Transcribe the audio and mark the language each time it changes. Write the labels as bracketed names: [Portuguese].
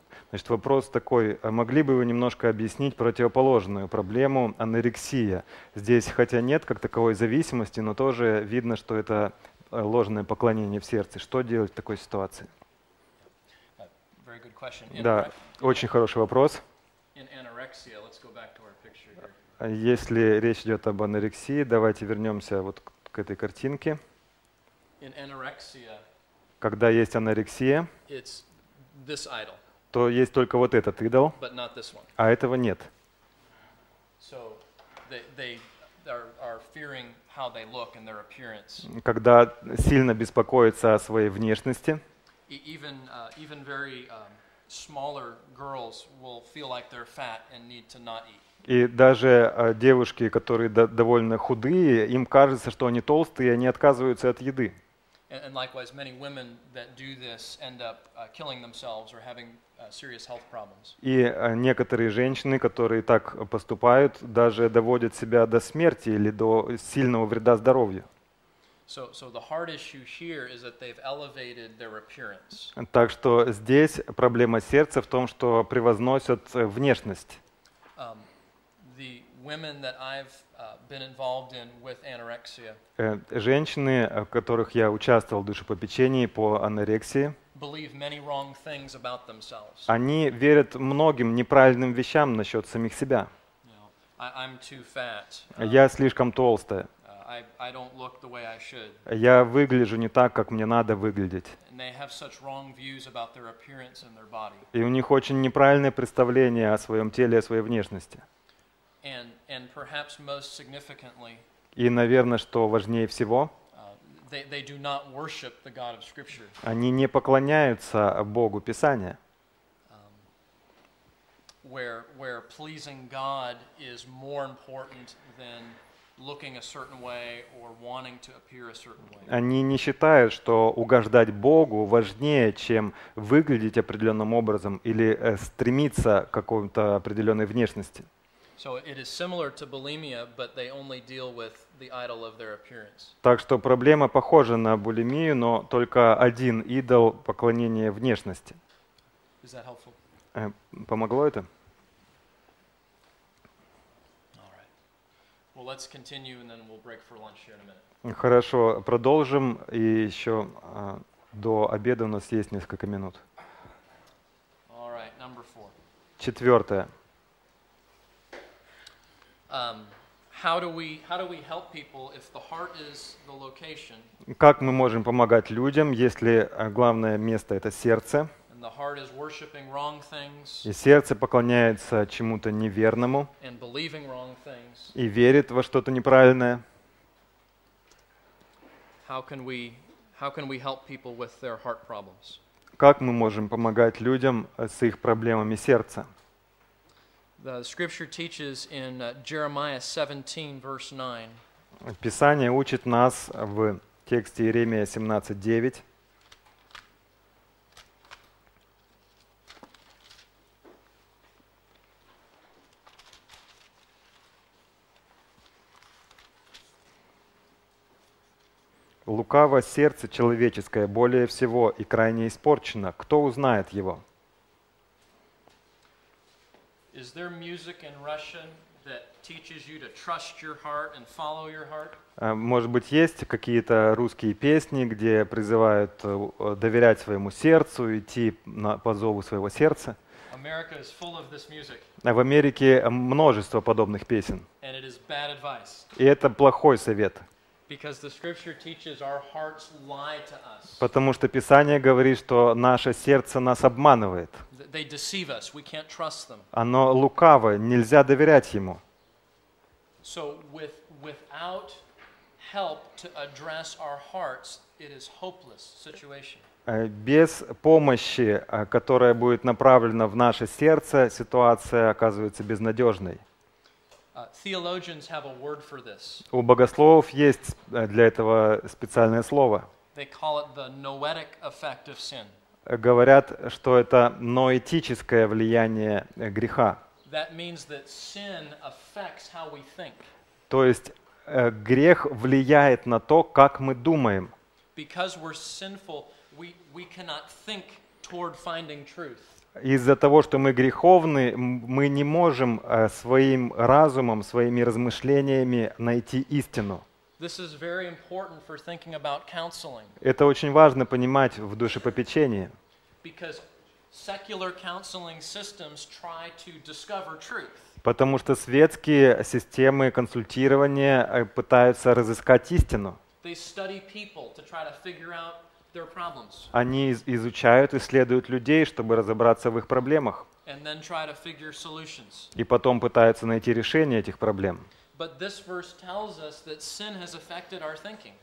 [Russian] Значит, вопрос такой: а могли бы вы немножко объяснить противоположную проблему анорексия? Здесь хотя нет как таковой зависимости, но тоже видно, что это ложное поклонение в сердце. Что делать в такой ситуации? [English] Very good question. [Russian] Да, очень хороший вопрос. [English] In anorexia, let's go back to our picture here. [Russian] Если речь идет об анорексии, давайте вернемся вот к этой картинке. [English] In anorexia, [Russian] когда есть анорексия, [English] it's this idol, [Russian] то есть только вот этот идол, [English] but not this one. [Russian] А этого нет. [English] So they are fearing how they look and their appearance. [Russian] Когда сильно беспокоятся о своей внешности. [English] Even very smaller girls will feel like they're fat and need to not eat. [Russian] И даже девушки, которые довольно худые, им кажется, что они толстые, и они отказываются от еды. [English] And likewise, many women that do this end up killing themselves or having serious health problems. [Russian] И некоторые женщины, которые так поступают, даже доводят себя до смерти или до сильного вреда здоровью. [English] So the hard issue here is that they've elevated their appearance. [Russian] Так что здесь проблема сердца в том, что превозносят внешность. [English] Women that I've been involved in with anorexia. [Russian] Женщины, в которых я участвовал в душепопечении по анорексии. [English] Believe many wrong things about themselves. [Russian] Они верят многим неправильным вещам насчет самих себя. [English] I'm too fat. [Russian] Я слишком толстая. [English] I don't look the way I should. [Russian] Я выгляжу не так, как мне надо выглядеть. [English] And they have such wrong views about their appearance and their body. [Russian] И у них очень неправильное представление о своем теле, о своей внешности. [English] And perhaps most significantly, [Russian] и, наверное, что важнее всего, [English] they do not worship the God of Scripture. [Russian] Они не поклоняются Богу Писания. [English] Where pleasing God is more important than looking a certain way or wanting to appear a certain way. [Russian] Они не считают, что угождать Богу важнее, чем выглядеть определенным образом или стремиться к какой-то определенной внешности. [English] So it is similar to bulimia, but they only deal with the idol of their appearance. [Russian] Так что проблема похожа на булимию, но только один идол поклонения внешности. [English] Is that helpful? [Russian] Помогло это? [English] All right. Well, let's continue and then we'll break for lunch here in a minute. [Russian] Хорошо, продолжим, и еще до обеда у нас есть несколько минут. [English] All right, number four. [Russian] Четвертое. [English] How do we help people if the heart is the location? [Russian] Как мы можем помогать людям, если главное место это сердце? [English] And the heart is worshiping wrong things. [Russian] И сердце поклоняется чему-то неверному. [English] And believing wrong things. [Russian] И верит во что-то неправильное. [English] How can we help people with their heart problems? [Russian] Как мы можем помогать людям с их проблемами сердца? [English] The scripture teaches in Jeremiah 17, verse 9. [Russian] Писание учит нас в тексте Иеремия 17:9. Лукаво сердце человеческое более всего и крайне испорчено. Кто узнает его? [English] Is there music in Russian that teaches you to trust your heart and follow your heart? [Russian] Может быть, есть какие-то русские песни, где призывают доверять своему сердцу, идти по зову своего сердца? [English] America is full of this music. [Russian] В Америке множество подобных песен. [English] And it is bad advice. [Russian] И это плохой совет. [English] Because the scripture teaches our hearts lie to us. [Russian] Потому что Писание говорит, что наше сердце нас обманывает. [English] They deceive us. We can't trust them. [Russian] Оно лукаво, нельзя доверять ему. [English] So without help to address our hearts, it is hopeless situation. [Russian] Без помощи, которая будет направлена в наше сердце, ситуация оказывается безнадежной. [English] Theologians have a word for this. [Russian] У богословов есть для этого специальное слово. [English] They call it the noetic effect of sin. [Russian] Говорят, что это ноэтическое влияние греха. [English] That means that sin affects how we think. [Russian] То есть грех влияет на то, как мы думаем. [English] Because we're sinful, we cannot think toward finding truth. [Russian] Из-за того, что мы греховны, мы не можем своим разумом, своими размышлениями найти истину. [English] This is very important for thinking about counseling. [Russian] Это очень важно понимать в душепопечении. [English] Because secular counseling systems try to discover truth. [Russian] Потому что светские системы консультирования пытаются разыскать истину. [English] They study people to try to figure out their problems. [Russian] Они изучают, исследуют людей, чтобы разобраться в их проблемах. [English] And then try to figure solutions. [Russian] И потом пытаются найти решение этих проблем. [English] But this verse tells us that sin has affected our thinking.